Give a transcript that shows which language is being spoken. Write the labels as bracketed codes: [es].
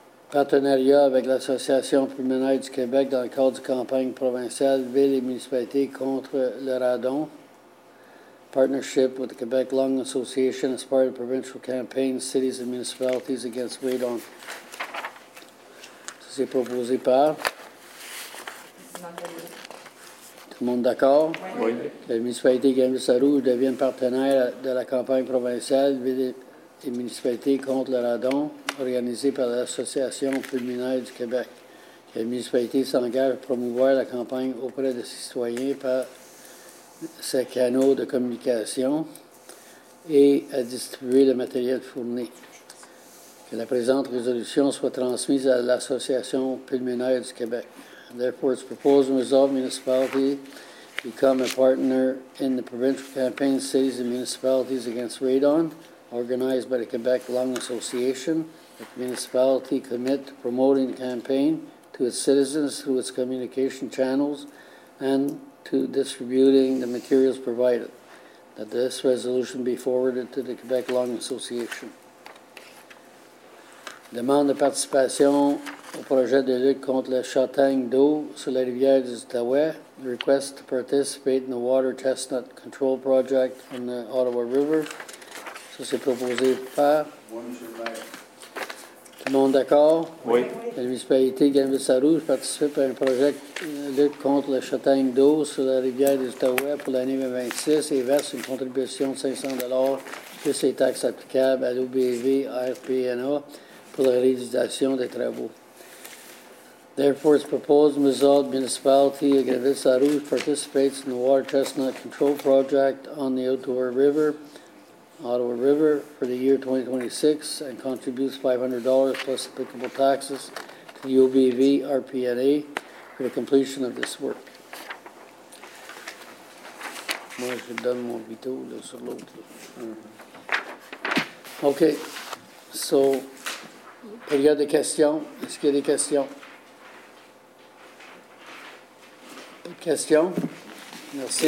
[fr] Partenariat avec l'Association criminelle du Québec dans le cadre de campagne provinciale Ville et municipalité contre le radon. [en] Partnership with the Quebec Lung Association as part of the provincial campaign Cities and Municipalities Against Radon. [fr] C'est proposé par. Tout le monde d'accord? Oui. Que la municipalité Gambier-Sarrouge devienne partenaire de la campagne provinciale Ville et municipalité contre le radon organisée par l'Association criminelle du Québec. Que la municipalité s'engage à promouvoir la campagne auprès des citoyens par ses canaux de communication et à distribuer le matériel fourni. Que la présente résolution soit transmise à l'Association pulmonaire du Québec. [en] Therefore, it's proposed and resolved municipality become a partner in the provincial campaign Cities and Municipalities Against Radon, organized by the Quebec Lung Association. That the municipality commit to promoting the campaign to its citizens through its communication channels and to distributing the materials provided. That this resolution be forwarded to the Quebec Lung Association. [fr] Demande de participation au projet de lutte contre le châtaigne d'eau sur la rivière des Outaouais. [en] Request to participate in the Water Chestnut Control Project on the Ottawa River. [fr] Ça, c'est proposé par. Tout le monde d'accord? Oui. La municipalité Gambier-Sarrouge participe à un projet de lutte contre le châtaigne d'eau sur la rivière des Outaouais pour l'année 2026 et verse une contribution de 500 $ plus les taxes applicables à l'OBV RPNA. Pour la réalisation des travaux. [en] Therefore, it's proposed Mizell Municipality of Gambier-Sarrouge participates in the Water Chestnut Control Project on the Ottawa River, for the year 2026 and contributes $500 plus applicable taxes to the OBV RPNA for the completion of this work. [fr] Moi, je donne mon veto là, sur l'autre. Mm-hmm. Okay, so. Il y a des questions. Est-ce qu'il y a des questions? Pas de questions? Merci.